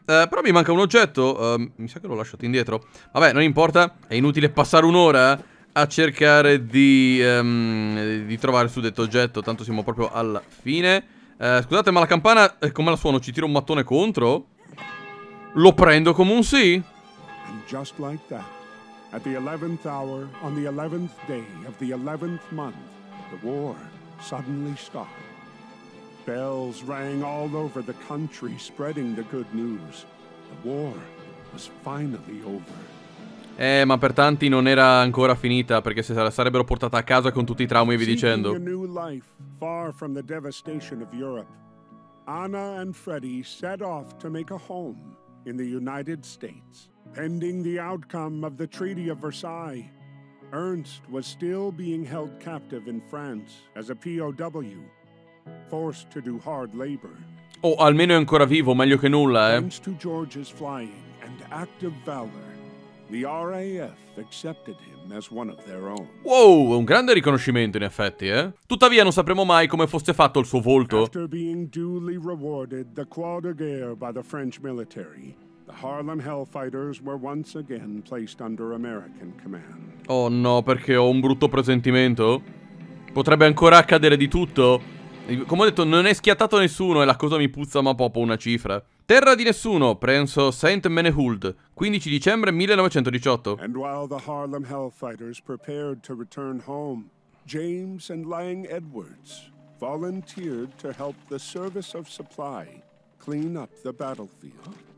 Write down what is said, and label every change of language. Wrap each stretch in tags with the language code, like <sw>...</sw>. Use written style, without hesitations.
<it>Però mi manca un oggetto. Mi sa che l'ho lasciato indietro. Vabbè, non importa. È inutile passare un'ora a cercare di trovare il suddetto oggetto. Tanto siamo proprio alla fine. Scusate, ma la campana... come la suono? Ci tiro un mattone contro? Lo prendo come un sì?</it> <en>E just like that, at the 11th hour, on the 11th day of the 11th month, the war suddenly stopped. Bells rang all over the country, spreading the good news. The war was finally over.</en> <it>Ma per tanti non era ancora finita, perché se la sarebbero portata a casa con tutti i traumi, vi dicendo.</it> <en>Seeking a new life, far from the devastation of Europe, Anna and Freddy set off to make a home in the United States. Pending the outcome of the Treaty of Versailles, Ernst was still being held captive in France as a POW. Forced to do hard labor.</en> <it>Oh, almeno è ancora vivo, meglio che nulla, eh.</it> <en>Thanks to George's flying and active valor, the RAF accepted him as one of their own.</en> <it>Wow, un grande riconoscimento in effetti, eh. Tuttavia non sapremo mai come fosse fatto il suo volto.</it> <en>After being duly rewarded the Croix de Guerre by the French military, the Harlem Hellfighters were once again placed under American command.</en> <it>Oh no, perché ho un brutto presentimento. Potrebbe ancora accadere di tutto. Come ho detto, non è schiattato nessuno e la cosa mi puzza ma proprio una cifra. Terra di nessuno, prenso Saint-Menehould, 15 dicembre 1918.</it> <en>And while the Harlem Hellfighters prepared to return home, James and Lang Edwards volunteered to help the Service of Supply clean up the battlefield.</en>